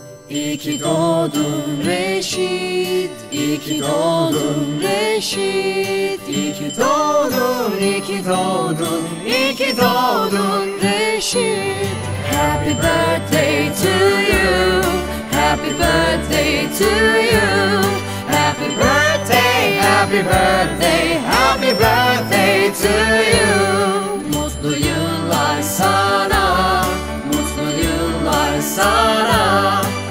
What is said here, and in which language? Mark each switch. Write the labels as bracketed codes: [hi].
[tr] İyi ki doğdun Reşit, iyi ki doğdun Reşit, iyi ki doğdun, iyi ki doğdun, iyi ki doğdun Reşit. [en] Happy birthday to you, happy birthday to you, happy birthday, happy birthday, happy birthday to you. [tr] Mutlu yıllar sana, mutlu yıllar sana.